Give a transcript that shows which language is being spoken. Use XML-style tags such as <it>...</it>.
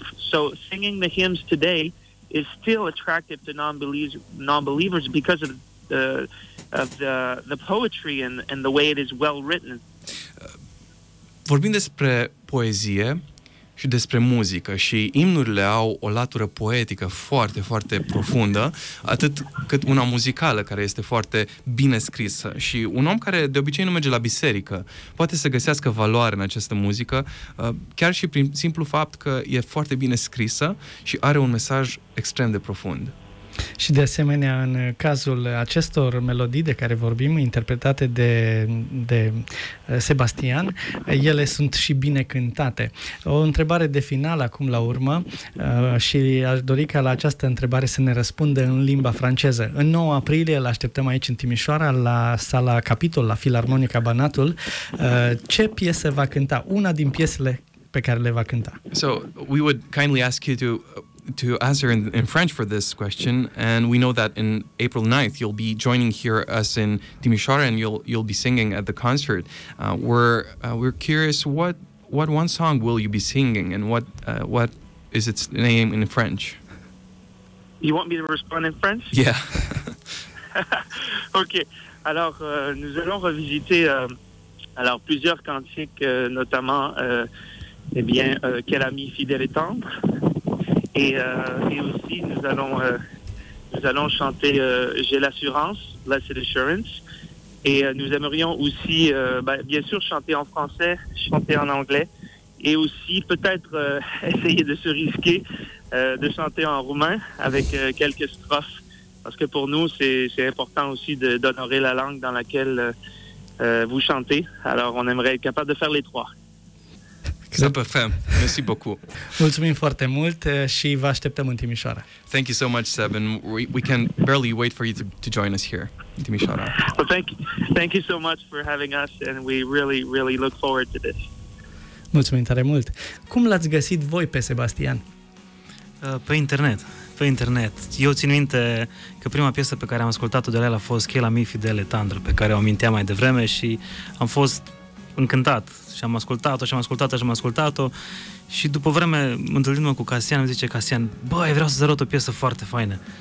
<en>So singing the hymns today is still attractive to non-believers because of the poetry and the way it is well written.</en> <ro>Vorbim despre poezie și despre muzică și imnurile au o latură poetică foarte, foarte profundă, atât cât una muzicală care este foarte bine scrisă. Și un om care de obicei nu merge la biserică poate să găsească valoare în această muzică, chiar și prin simplu fapt că e foarte bine scrisă și are un mesaj extrem de profund. Și de asemenea, în cazul acestor melodii de care vorbim, interpretate de Sebastian, ele sunt și bine cântate. O întrebare de final acum la urmă și aș dori ca la această întrebare să ne răspundă în limba franceză. În 9 aprilie îl așteptăm aici în Timișoara, la sala Capitol, la Filarmonica Banatul. Ce piesă va cânta? Una din piesele pe care le va cânta.</ro> <en>So, we would kindly ask you to to answer in French for this question. And we know that in April 9th, you'll be joining here us in Timișoara, and you'll be singing at the concert. We're curious, what one song will you be singing, and what is its name in French? You want me to respond in French? Yeah. Okay.</en> <fr>Alors, nous allons revisiter alors plusieurs cantiques, notamment, Quel ami fidèle et tendre. Et aussi, nous allons chanter J'ai l'assurance, Blessed Assurance. Et nous aimerions aussi, bien sûr, chanter en français, chanter en anglais, et aussi peut-être essayer de se risquer de chanter en roumain avec quelques strophes. Parce que pour nous, c'est important aussi d'honorer la langue dans laquelle vous chantez. Alors, on aimerait être capable de faire les trois.</fr> <ro>Să păfăm.</ro> <fr>Mersi beaucoup.</fr> <ro>Mulțumim foarte mult și vă așteptăm în Timișoara.</ro> <en>Thank you so much, Seb. We can barely wait for you to join us here in Timișoara. Well, thank you so much for having us, and we really, really look forward to this.</en> <ro>Mulțumim tare mult. Cum l-ați găsit voi pe Sebastian? Pe internet. Eu țin minte că prima piesă pe care am ascultat-o de la el a fost Quel ami fidèle tendre, pe care o aminteam mai devreme, și am fost încântat și am ascultat-o și după vreme, întâlnindu-mă cu Casian, îmi zice Casian: băi, vreau să-ți arăt o piesă foarte faină.</ro>